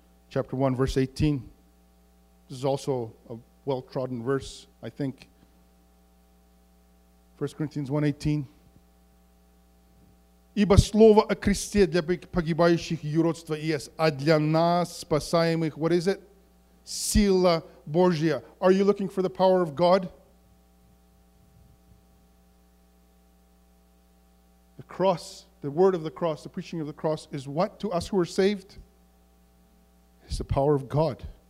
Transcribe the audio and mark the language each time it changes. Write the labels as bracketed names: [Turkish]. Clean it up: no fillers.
[English] Chapter 1, verse 18. This is also a well-trodden verse, I think. 1 Corinthians 1:18. [Russian] Ибо слово о кресте для погибающих юродство есть, а для нас спасаемых, [English] what is it? [Russian] Сила Божья. [English] Are you looking for the power of God? The cross, the word of the cross, the preaching of the cross is what to us who are saved? It's the power of God.